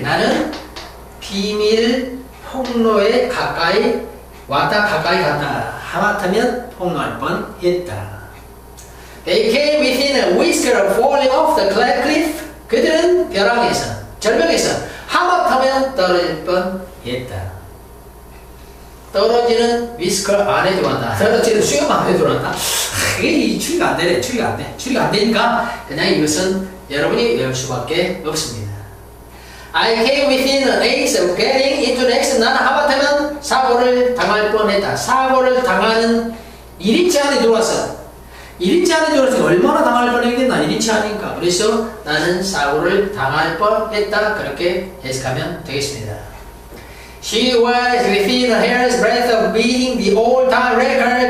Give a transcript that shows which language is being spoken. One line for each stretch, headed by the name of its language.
Korean: 나는 비밀 폭로에 가까이 왔다, 가까이 갔다. 하마터면 폭로할 뻔 했다.
English: They came within a whisker of falling off the cliff.
Korean: 그들은 벼락에서, 절벽에서 하마터면 떨어질 뻔 했다. 떨어지는 whisker 안에 들어왔다. 떨어지는 수염 안에 들어왔다. 이게 추리가 안 되네. 추리가 안 되니까 그냥 이것은 여러분이 외울 수밖에 없습니다.
English: I came within an ace of getting into the next.
Korean: 나는 하마터면 사고를 당할 뻔했다. 사고를 당하는 1인치 안에 들어왔어. 1인치 안에 들어왔어. 얼마나 당할 뻔했겠나. 1인치 아니니까. 그래서 나는 사고를 당할 뻔했다. 그렇게 해석하면 되겠습니다.
English: She was within a hair's breadth of beating the all-time record.